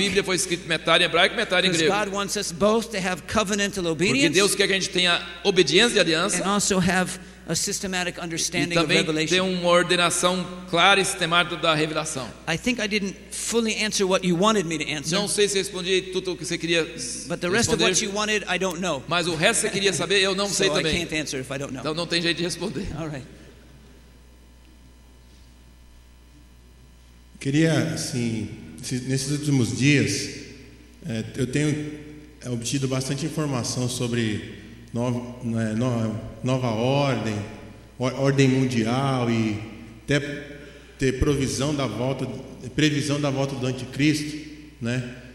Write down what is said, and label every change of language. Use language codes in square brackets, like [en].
[pt] Bíblia foi escrita metade em hebraico e metade em grego. [en] God wants us both to have covenantal obedience, [pt] porque Deus quer que a gente tenha obediência de aliança. [en] And also have a systematic understanding [pt] e também [en] of revelation. [pt] Tem uma ordenação clara e sistemática da revelação. [en] I think I didn't fully answer what you wanted me to answer. [pt] Não sei se respondi tudo o que você queria. [en] But the rest [pt] responder [en] of what you wanted, I don't know. [pt] Mas o resto que você queria saber, eu não [en] so [pt] sei também. [en] I can't answer if I don't know. [pt] Então não tem jeito de responder. [en] All right. [pt] Queria, assim, nesses últimos dias, eu tenho obtido bastante informação sobre nova ordem, ordem mundial e até ter provisão da volta, previsão da volta do anticristo, né?